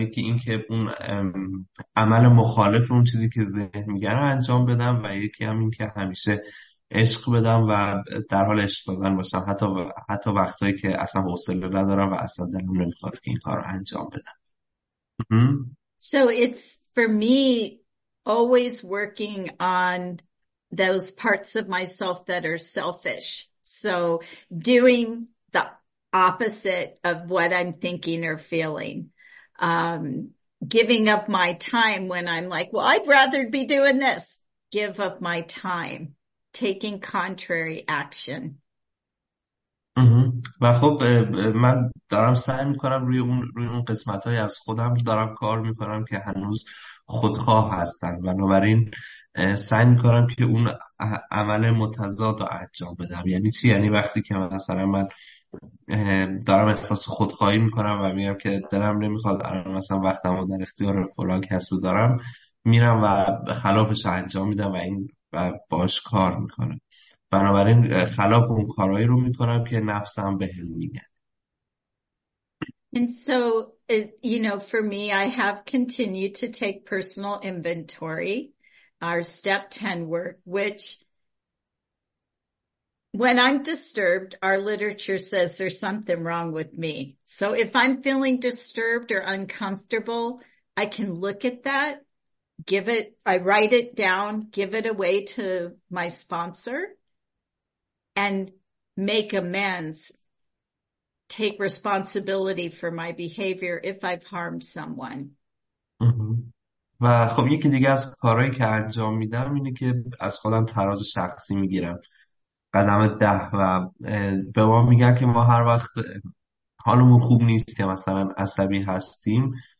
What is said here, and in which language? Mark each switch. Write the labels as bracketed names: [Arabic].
[Persian] یکی این که اون عمل مخالف اون چیزی که ذهن میگن انجام بدم، و یکی هم این که همیشه عشق بدم و در حال عشق دادن باشم، حتی وقتایی که اصلا حوصله ندارم و اصلا دلم نمیخواد که این کار رو انجام بدم. [English] So it's for me always working on those parts of myself that are selfish. So doing the opposite of what I'm thinking or feeling. Giving up my time when I'm like, well, I'd rather be doing this. Give up my time. Taking contrary action. [Persian] و خب من دارم سعی میکنم روی اون قسمت های از خودم دارم کار میکنم که هنوز خودخواه هستن، بنابراین سعی میکنم که اون عمل متضاد رو انجام بدم. یعنی چی؟ یعنی وقتی که مثلا من دارم احساس خودخواهی میکنم و میگم که دلم نمیخواد مثلا وقتم رو در اختیار فلان کس بذارم، میرم و خلافش رو انجام میدم و این و باش کار میکنم، بنابراین خلاف اون کارهایی رو میکنم که نفسم بهم میگه. [English] And so, you know, for me, I have continued to take personal inventory, our step 10 work, which when I'm disturbed, our literature says there's something wrong with me. So if I'm feeling disturbed or uncomfortable, I can look at that, I write it down, give it away to my sponsor and make amends. Take responsibility for my behavior if I've harmed someone. [Persian] و خب یکی دیگه از کارهایی که انجام میدم اینه که از خودم تراز شخصی میگیرم، قدم 10، و به ما میگن که ما هر وقت حالمون خوب نیست یا مثلا عصبی هستیم